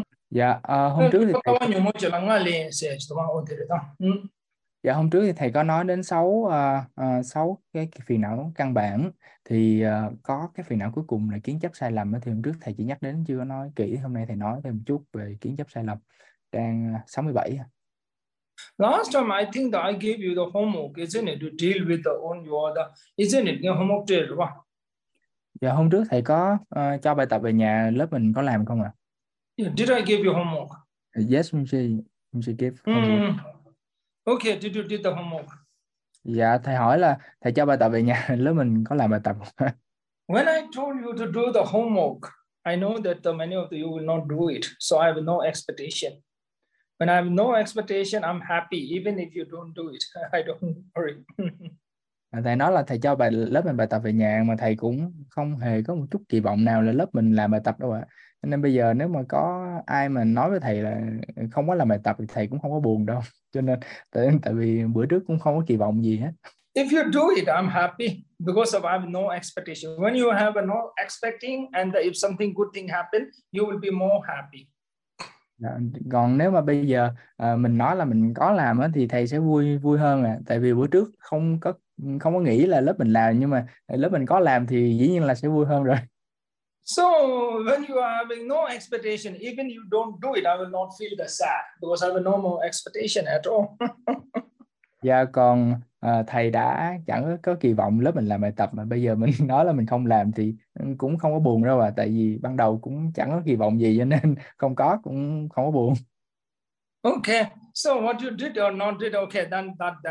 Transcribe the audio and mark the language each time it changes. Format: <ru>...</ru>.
<vi>Dạ, hôm trước thì thầy Dạ, hôm trước thì thầy có nói đến sáu cái phiền não căn bản, thì có cái phiền não cuối cùng là kiến chấp sai lầm, thì hôm trước thầy chỉ nhắc đến chưa có nói kỹ, hôm nay thầy nói thêm một chút về kiến chấp sai lầm. Trang 67.</vi> <en>Last time I think that I gave you the homework, isn't it, to deal with the on your the, isn't it, your homework day, right?</en> <vi>Dạ, hôm trước thầy có cho bài tập về nhà lớp mình có làm không ạ?</vi> <en>Yeah, did I give you homework? Yes, Mishi gave homework. Okay, did you did the homework?</en> <vi>Dạ, thầy hỏi là thầy cho bài tập về nhà lớp mình có làm bài tập không?</vi> <en>When I told you to do the homework, I know that many of you will not do it, so I have no expectation. When I have no expectation, I'm happy. Even if you don't do it, I don't worry.</en> <vi>Thầy nói là thầy cho bài lớp mình bài tập về nhà mà thầy cũng không hề có một chút kỳ vọng nào là lớp mình làm bài tập đâu ạ. À. Nên bây giờ nếu mà có ai mà nói với thầy là không có làm bài tập thì thầy cũng không có buồn đâu. Cho nên tại vì bữa trước cũng không có kỳ vọng gì hết.</vi> <en>If you do it, I'm happy because of I have no expectation. When you have no expecting and if something good thing happen, you will be more happy.</en> <vi>Còn nếu mà bây giờ mình nói là mình có làm thì thầy sẽ vui vui hơn à, tại vì bữa trước không có nghĩ là lớp mình làm, nhưng mà lớp mình có làm thì dĩ nhiên là sẽ vui hơn rồi.</vi> <en>So when you are having no expectation, even you don't do it, I will not feel the sad because I have no more expectation at all.</en> <vi>Dạ, còn thầy đã chẳng có kỳ vọng lớp mình làm bài tập mà bây giờ mình nói là mình không làm thì cũng không có buồn đâu à, tại vì ban đầu cũng chẳng có kỳ vọng gì cho nên không có cũng không có buồn.</vi> <en>Okay, so what you did or not did, okay, then that.</en>